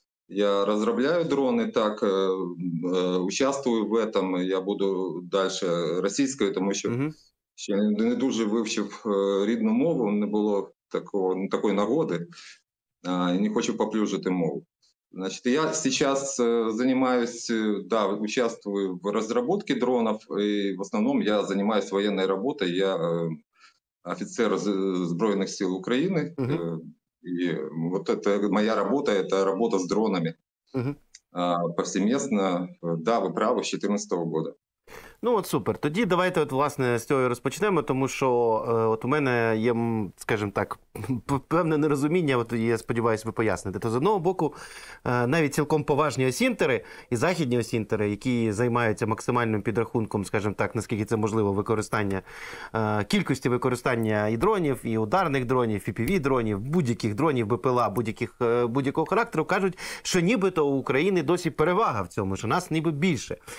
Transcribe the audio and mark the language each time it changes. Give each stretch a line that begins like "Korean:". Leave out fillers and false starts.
Ukrainian: Я розробляю дрони, так,
Russian: участвую в этом,
Ukrainian: я буду далі російською, тому що ще не дуже вивчив рідну мову, не було такої нагоди, і не хочу поплюжити мову. Значить, я зараз займаюся, участвую в розробці дронів, і в основному я займаюся воєнною роботою, я офіцер Збройних сил України.
Russian: И вот это моя работа, это работа с дронами повсеместно, да, вы правы, с 2014 года.
Ukrainian: Ну от супер. Тоді давайте от власне з цього розпочнемо, тому що от у мене є, скажімо так, певне нерозуміння, от я сподіваюся, ви поясните. То з одного боку, навіть цілком поважні осінтери і західні осінтери, які займаються максимальним підрахунком, скажімо так, наскільки це можливо, використання кількості використання і дронів, і ударних дронів, і PV-дронів, будь-яких дронів, БПЛА, будь-якого характеру, кажуть, що нібито у України досі перевага в цьому, що нас ніби більше.